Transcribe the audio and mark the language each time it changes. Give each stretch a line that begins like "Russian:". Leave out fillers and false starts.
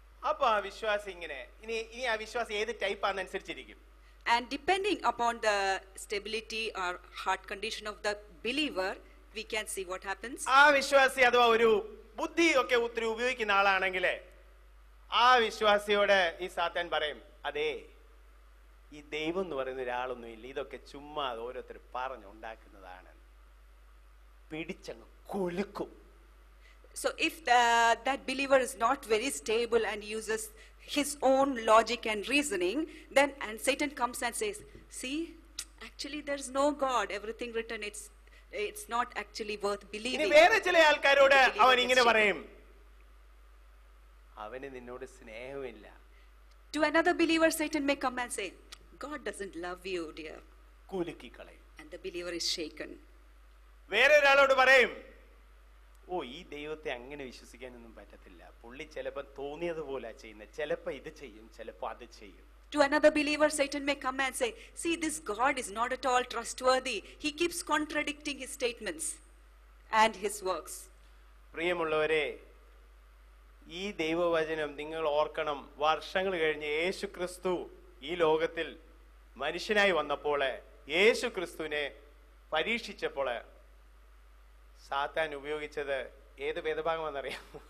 Malayalam: അപ്പോൾ ആ വിശ്വാസി ഇങ്ങനെ, ഇനി ആ വിശ്വാസി ഏത് ടൈപ്പ് ആണ് അനുസരിച്ചിരിക്കും.
English: And depending upon the stability or heart condition of the believer, we can see what happens.
Malayalam: ആ വിശ്വാസി അഥവാ ഒരു ബുദ്ധി ഒക്കെ ഉത്തിരി ഉപയോഗിക്കുന്ന ആളാണെങ്കിൽ ആ വിശ്വാസിയോട് ഈ സാത്താൻ പറയും, അതേ ഈ ദൈവം എന്ന് പറയുന്ന ഒരാളൊന്നും ഇല്ല, ഇതൊക്കെ ചുമ്മാ ഓരോരുത്തർ പറഞ്ഞുണ്ടാക്കുന്നതാണ്, പിടിച്ചങ്ങ് കൊളുക്കും.
English: So if that believer is not very stable and uses his own logic and reasoning, then and Satan comes and says, see, actually there's no God, everything written, it's not actually worth believing.
Malayalam: ഇനി വേറെ ചില ആൾക്കാരോട് അവൻ ഇങ്ങനെ പറയും, അവനെ നിന്നോട് സ്നേഹമില്ല.
English: To another believer, Satan may come and say, God doesn't love you, dear.
Malayalam: കുലുക്കി കളയും.
English: And the believer is shaken.
Malayalam: വേറെ ഒരാളോട് പറയും, ഓ ഈ ദൈവത്തെ അങ്ങനെ വിശ്വസിക്കാനൊന്നും പറ്റത്തില്ല, പുള്ളി ചിലപ്പോ തോന്നിയതുപോലെ ചെയ്യുന്നത്, ചിലപ്പോ ഇത് ചെയ്യും, ചിലപ്പോ അത് ചെയ്യും.
English: To another believer, Satan may come and say, see, this God is not at all trustworthy. He keeps contradicting his statements and his works.
Malayalam: പ്രിയമുള്ളവരെ, ഈ ദൈവവചനം നിങ്ങൾ ഓർക്കണം, വർഷങ്ങൾ കഴിഞ്ഞ് യേശു ക്രിസ്തു ഈ ലോകത്തിൽ മനുഷ്യനായി വന്നപ്പോൾ, യേശു ക്രിസ്തുവിനെ പരീക്ഷിച്ചപ്പോൾ സാത്താൻ ഉപയോഗിച്ചത് ഏത് വേദഭാഗമാണെന്നറിയാം?